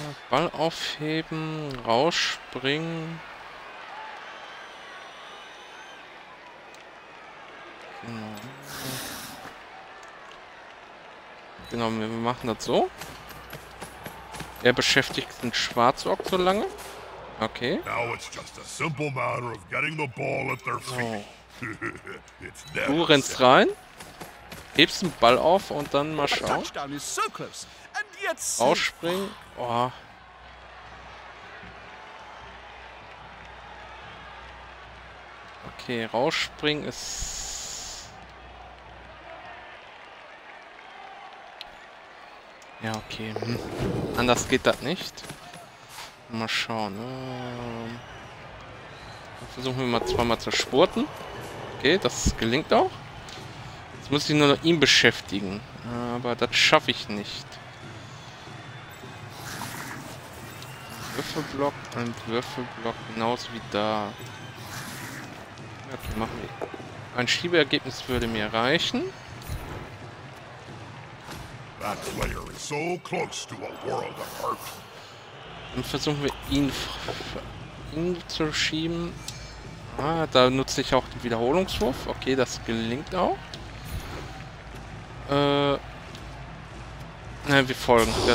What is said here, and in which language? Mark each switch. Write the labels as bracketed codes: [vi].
[de] Ball aufheben, rausspringen. Genau, wir machen das so. Er beschäftigt den Schwarzorg so lange. Okay. [en] Now it's just a simple matter of getting the ball at their feet. It's never [de] du rennst [en] simple. [de] Rein, hebst den Ball auf und dann mal schauen. So close. And yet so rausspringen. Oh. Okay, rausspringen ist. Ja, okay. Hm. Anders geht das nicht. Mal schauen. Versuchen wir mal zweimal zu spurten. Okay, das gelingt auch. Jetzt muss ich nur noch ihn beschäftigen. Aber das schaffe ich nicht. Würfelblock und Würfelblock genauso wie da. Okay, machen wir. Ein Schiebeergebnis würde mir reichen. [en] That player is so close to a world of hurt. [de] Dann versuchen wir ihn, ihn zu schieben. Ah, da nutze ich auch den Wiederholungswurf. Okay, das gelingt auch. Nein, wir folgen.